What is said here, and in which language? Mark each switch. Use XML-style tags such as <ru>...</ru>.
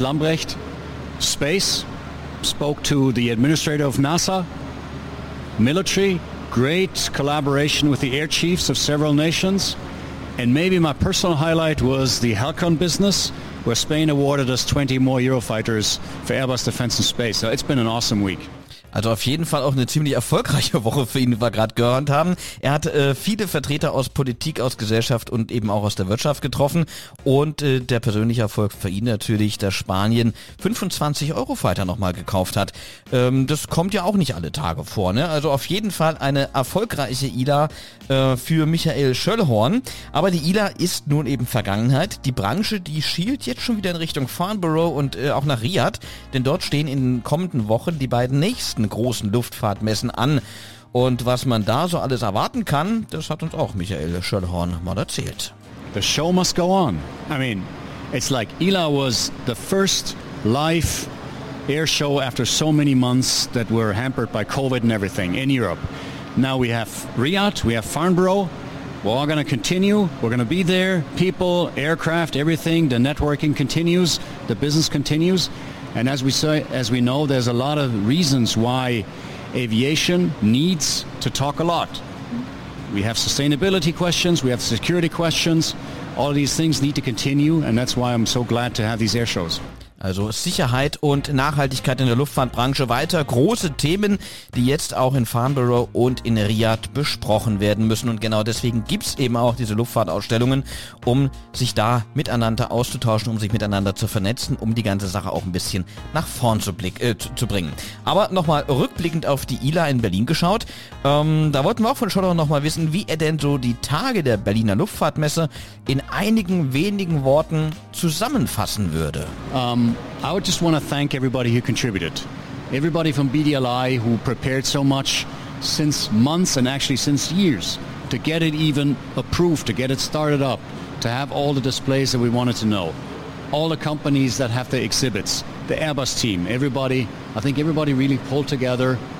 <en>Lambrecht, Space, spoke to the Administrator of NASA, military, great collaboration with the Air Chiefs of several nations, and maybe my personal highlight was the Halcon business, where Spain awarded us 20 more Eurofighters for Airbus Defense and Space, so it's been an awesome week.</en> <de>Also auf jeden Fall auch eine ziemlich erfolgreiche Woche für ihn, wie wir gerade gehört haben. Er hat viele Vertreter aus Politik, aus Gesellschaft und eben auch aus der Wirtschaft getroffen. Und der persönliche Erfolg für ihn natürlich, dass Spanien 25 Eurofighter nochmal gekauft hat. Das kommt ja auch nicht alle Tage vor, ne? Also auf jeden Fall eine erfolgreiche ILA für Michael Schöllhorn. Aber die ILA ist nun eben Vergangenheit. Die Branche, die schielt jetzt schon wieder in Richtung Farnborough und auch nach Riad. Denn dort stehen in den kommenden Wochen die beiden nächsten großen Luftfahrtmessen an. Und was man da so alles erwarten kann, das hat uns auch Michael Schöllhorn mal erzählt.</de> <en>The show must go on. I mean, it's like ILA was the first live air show after so many months that were hampered by COVID and everything in Europe. Now we have Riad, we have Farnborough. We're all going to continue. We're going to be there. People, aircraft, everything. The networking continues. The business continues. And as we say, as we know, there's a lot of reasons why aviation needs to talk a lot. We have sustainability questions. We have security questions. All of these things need to continue. And that's why I'm so glad to have these air shows.</en> <de>Also Sicherheit und Nachhaltigkeit in der Luftfahrtbranche weiter. Große Themen, die jetzt auch in Farnborough und in Riad besprochen werden müssen. Und genau deswegen gibt es eben auch diese Luftfahrtausstellungen, um sich da miteinander auszutauschen, um sich miteinander zu vernetzen, um die ganze Sache auch ein bisschen nach vorn zu bringen. Aber nochmal rückblickend auf die ILA in Berlin geschaut. Da wollten wir auch von Schotter nochmal wissen, wie er denn so die Tage der Berliner Luftfahrtmesse in einigen wenigen Worten zusammenfassen würde.</de> <en>I would just want to thank everybody who contributed. Everybody from BDLI who prepared so much since months and actually since years to get it even approved, to get it started up, to have all the displays that we wanted to know. All the companies that have the exhibits, the Airbus team, everybody, I think everybody really pulled together.</en>